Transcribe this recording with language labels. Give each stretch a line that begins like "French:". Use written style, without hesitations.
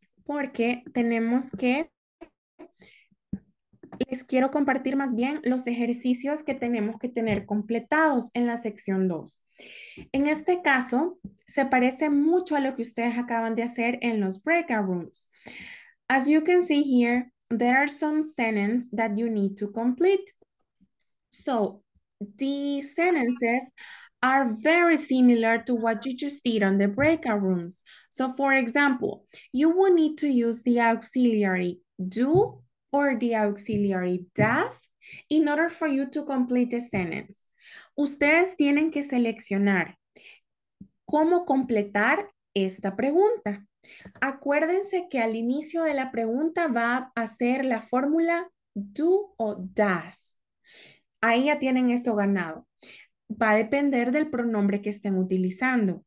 Spanish: Porque tenemos que, les quiero compartir más bien los ejercicios que tenemos que tener completados en la sección 2. En este caso, se parece mucho a lo que ustedes acaban de hacer en los breakout rooms.
English: As you can see here, there are some sentences that you need to complete. So, the sentences are very similar to what you just did on the breakout rooms. So for example, you will need to use the auxiliary do or the auxiliary does in order for you to complete the sentence.
Spanish: Ustedes tienen que seleccionar cómo completar esta pregunta. Acuérdense que al inicio de la pregunta va a ser la fórmula do o does. Ahí ya tienen eso ganado. Va a depender del pronombre que estén utilizando.